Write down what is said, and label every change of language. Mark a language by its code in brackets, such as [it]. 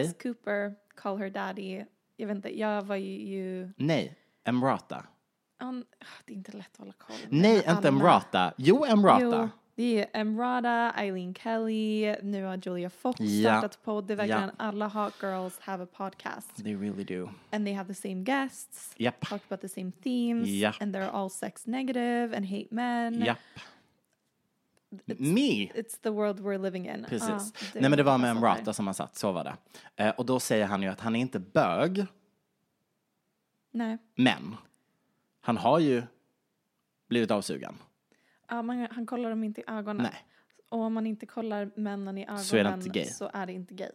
[sv] Alice Cooper, Call Her Daddy. Jag vet inte, jag var ju... Nej, Emrata. Det är inte lätt att hålla koll. Nej, inte alla. Emrata. Jo, Emrata. Jo. Det är Emrata, Eileen Kelly, nu har Julia Fox startat podd. Det är verkligen alla [en] hot girls have a podcast. They really do. And they have the same guests. Yep. Talk about the same themes. Yep. And they're all sex negative and hate men. Yep. Me. It's the world we're living in. [sv] Precis. Nej, men det var med Emrata som han satt. Så var det. Och då säger han ju att han är inte bög. Nej. Men han har ju blivit avsugen. Han kollar dem inte i ögonen. Nej. Och om man inte kollar männen i ögonen så är det inte gay. Så är det inte gay.